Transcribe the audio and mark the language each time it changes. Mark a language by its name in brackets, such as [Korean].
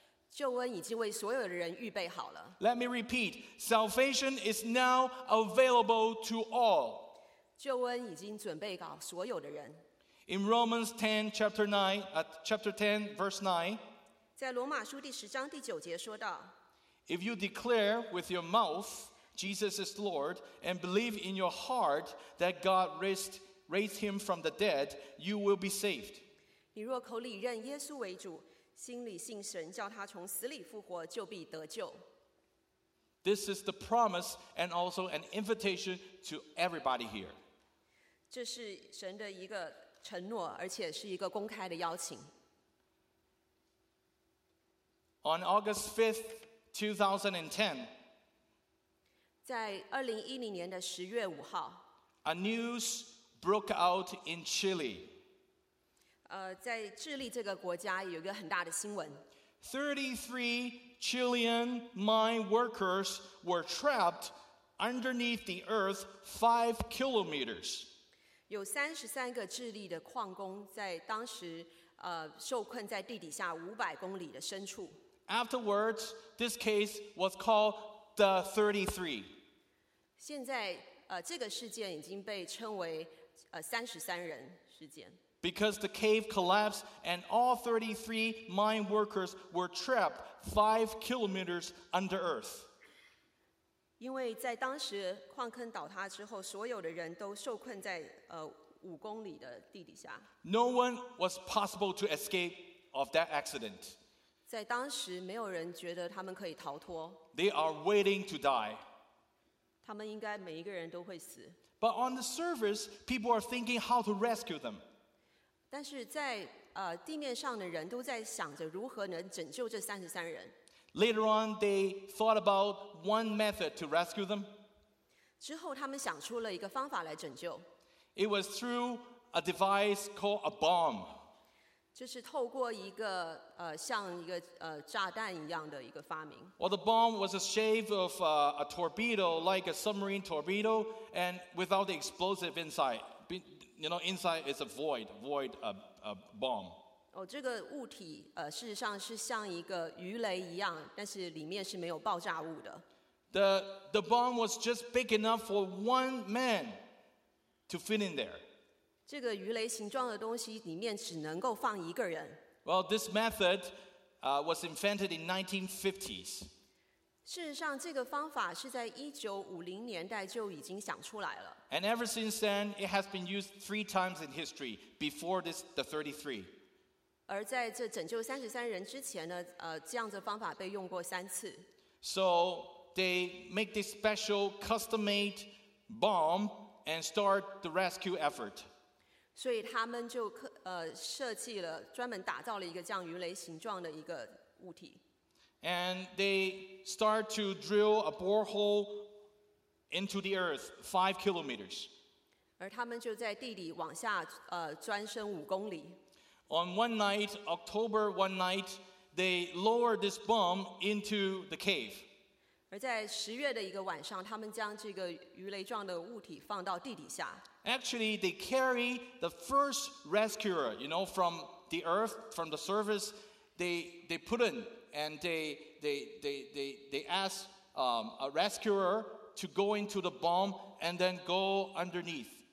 [Chinese] 救恩已经为所有的人预备好了。 [English] Let me repeat, salvation is now available to all. [Chinese] 救恩已经准备给所有的人。 [English] In Romans 10, chapter 9, chapter 10, verse 9, [Chinese] 在罗马书第十章第九节说到， [English] If you declare with your mouth Jesus is Lord and believe in your heart that God raised him from the dead, you will be saved. [Chinese] 你若口里认耶稣为主，心里信神叫他从死里复活，就必得救。 [English] This is the promise and also an invitation to everybody here. [Chinese] 这是神的一个承诺，而且是一个公开的邀请。 [English] On August 5th, 2010, [Chinese] 在2010年的10月5号， [English] a newsbroke out in Chile. [Chinese] 在智利这个国家有一个很大的新闻。 [English] 33 Chilean mine workers were trapped underneath the earth 5 kilometers. [Chinese] 有33个智利的矿工在当时受困在地底下500公里的深处。 [English] Afterwards, this case was called the 33. [Chinese] 现在这个事件已经被称为33人事件。 [English] Because the cave collapsed and all 33 mine workers were trapped 5 kilometers under earth. [Chinese] 因为在当时矿坑倒塌之后，所有的人都受困在五公里的地底下。 [English] No one was possible to escape of that accident. [Chinese] 在当时没有人觉得他们可以逃脱。 [English] They are waiting to die. [Chinese] 他们应该每一个人都会死。 [English] But on the surface, people are thinking how to rescue them. [Chinese] 但是在地面上的人都在想着如何能拯救这33人。 [English] Later on, they thought about one method to rescue them. [Chinese] 之后他们想出了一个方法来拯救。 [English] It was through a device called a bomb. [Chinese] 就是透过一个像一个炸弹一样的一个发明。 [English] Well, the bomb was a shape of a torpedo, like a submarine torpedo, and without the explosive inside. You know, inside is a void, a bomb. [Chinese] 这个物体事实上是像一个鱼雷一样，但是里面是没有爆炸物的。 [English] The bomb was just big enough for one man to fit in there. [Chinese] 这个鱼雷形状的东西里面只能够放一个人。 [English] Well, this method was invented in 1950s. [Chinese] 事实上，这个方法是在1950年代就已经想出来了。 [English] And ever since then, it has been used three times in history before this, the 33. [Chinese] 而在这拯救33人之前呢，这样的方法被用过三次。 [English] So,They make this special custom-made bomb and start the rescue effort. [Chinese] 所以他们就设计了专门打造了一个这样鱼雷形状的一个物体。 [English] And they start to drill a borehole into the earth 5 kilometers. [Chinese] 而他们就在地底往下钻深5公里。 [English] On one night, October one night, they lower this bomb into the cave. [Chinese] 而在十月的一个晚上，他们将这个鱼雷状的物体放到地底下。 [English] Actually, they carry the first rescuer, you know, from the earth, from the surface. They put in and they ask a rescuer to go into the bomb and then go underneath.